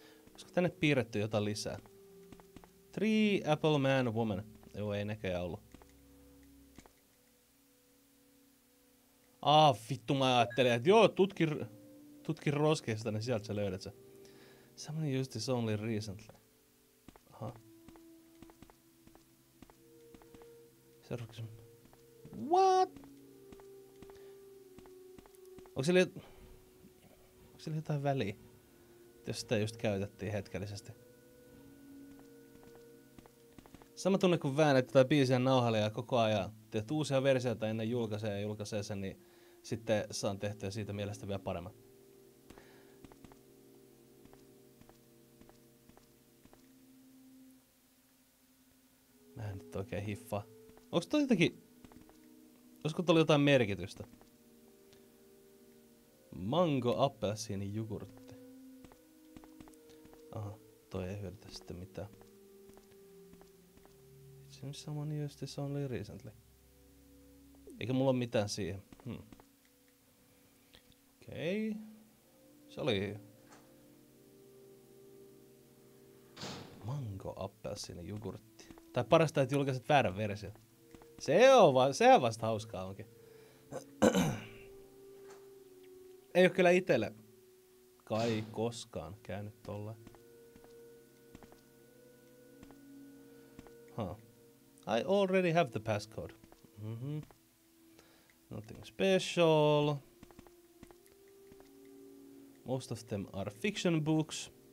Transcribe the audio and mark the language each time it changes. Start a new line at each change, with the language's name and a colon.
Finnish: Olisiko tänne piirretty jotain lisää? 3 Apple Man Woman. Joo, ei näköjään ollut. Ah, vittu, mä ajattelin, että joo, tutki roskeista, niin sieltä sä löydät se.
English: Someone used this only recently. Aha. What?
Finnish: Onko sillä jotain väliä? Jos sitä just käytettiin hetkellisesti. Sama tunne kuin väännet tätä biisiä nauhalle ja koko ajan. Teet uusia versioita ennen julkaisee sen, niin... sitten saan tehtyä siitä mielestä vielä paremmin. Mä en nyt oikein hiffaa. Onks toi jotenkin... Olisiko toi jotain merkitystä? Mango appelsiini jogurtti. Aha, toi ei hyödytä sitten mitään.
English: It seems someone used this only recently.
Finnish: Eikä mulla ole mitään siihen. Okei. Okay. Se oli... Mango appelsiini jogurtti. Tai parasta, että julkaiset väärän version. Se on vaan, sehän vasta hauskaa onkin. Ei oo kyllä itelle kai koskaan käynyt tolleen. Huh.
English: I already have the passcode. Nothing special. Most of them are fiction books.